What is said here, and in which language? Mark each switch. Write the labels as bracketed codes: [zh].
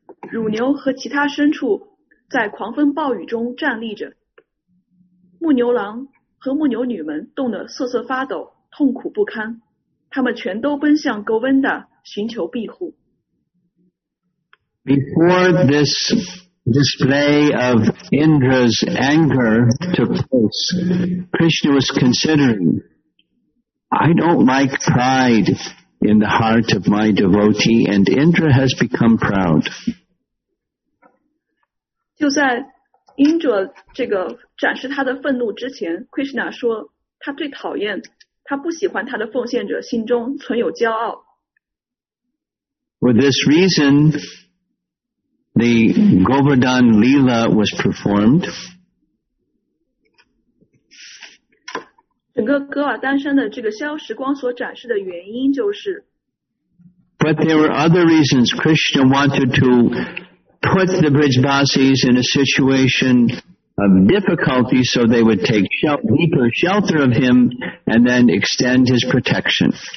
[zh] 乳牛和其他牲畜在狂风暴雨中站立着，牧牛郎和牧牛女们冻得瑟瑟发抖，痛苦不堪，他们全都奔向 Govinda 寻求庇护。 [en] Before this display of Indra's anger took place, Krishna was considering, I don't like pride in the heart of my devotee, and Indra has become proud. [zh] 就在 Indra 这个展示他的愤怒之前， Krishna 说他最讨厌，他不喜欢他的奉献者心中存有骄傲。 [en] For this reason the Govardhan Leela was performed. [zh] 整个戈尔丹山的这个消时光所展示的原因就是， [en] But there were other reasons Krishna wanted toput the Brijvasis in a situation of difficulty so they would take deeper shelter of him and then extend his protection.